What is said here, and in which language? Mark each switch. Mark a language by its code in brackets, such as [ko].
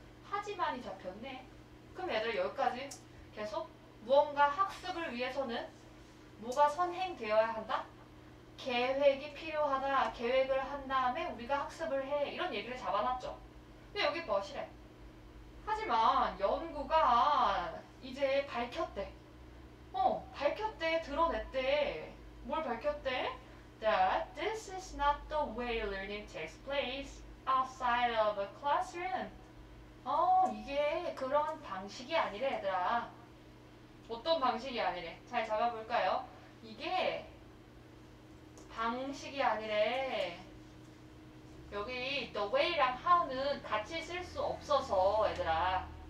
[ko] 하지만이 잡혔네. 그럼 애들 여기까지 계속 무언가 학습을 위해서는 뭐가 선행되어야 한다? 계획이 필요하다, 계획을 한 다음에 우리가 학습을 해. 이런 얘기를 잡아놨죠. 근데 여기 거실에. 하지만 연구가 이제 밝혔대. 밝혔대, 드러냈대. 뭘 밝혔대? [en] That this is not the way learning takes place outside of a classroom. [ko] 이게 그런 방식이 아니래, 얘들아. 어떤 방식이 아니래? 잘 잡아볼까요? 이게 방식이 아니래. 여기 the way랑 how는 같이 쓸수 없어서 얘들아.